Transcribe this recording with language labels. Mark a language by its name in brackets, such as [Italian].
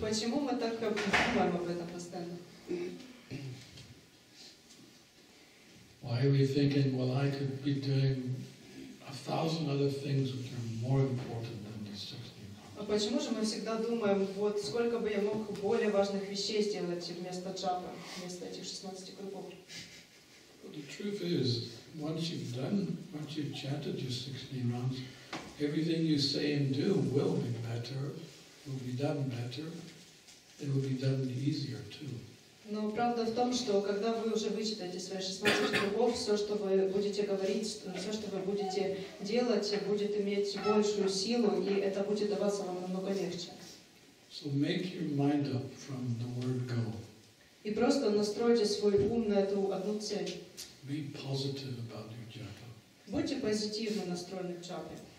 [Russian] Почему мы так думаем об этом постоянно? [English] Why are we thinking, well, I could be doing 1,000 other things which are more important than these 16 rounds? [Russian] А почему же мы всегда думаем, вот сколько бы я мог более важных вещей сделать вместо джапа, вместо этих 16 кругов? [English] Well, the truth is, once you've chanted your 16 rounds, everything you say and do will be better, will be done better, it will be done easier too. [Russian] Но правда в том, что когда вы уже вычитаете свои 16 кругов, все, что вы будете говорить, все, что вы будете делать, будет иметь большую силу, и это будет даваться вам намного легче. [English] So make your mind up from the word go. [Russian] И просто настройте свой ум на эту одну цель. [English] Be positive about your japa. [Russian] Будьте позитивно настроены к джапе.